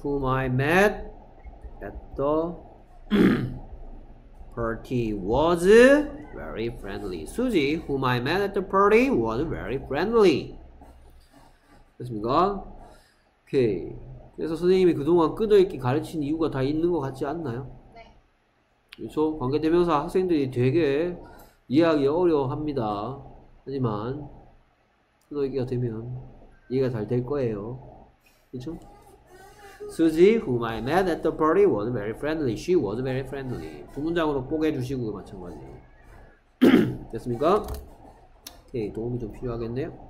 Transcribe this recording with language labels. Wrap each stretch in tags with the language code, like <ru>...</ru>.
<en>Whom I met at the party was very friendly. 수지, whom I met at the party was very friendly.</en> <ko>됐습니까? 오케이. 그래서 선생님이 그동안 끄덕이게 가르친 이유가 다 있는 것 같지 않나요? 그렇죠? 관계대명사 학생들이 되게 이해하기 어려워합니다. 하지만 끄덕이게가 되면 이해가 잘될 거예요. 그렇죠?</ko> <en>Suzy, whom I met at the party, was very friendly. She was very friendly.</en> <ko>두 문장으로 뽀개주시고 마찬가지. 됐습니까? 오케이. 도움이 좀 필요하겠네요.</ko>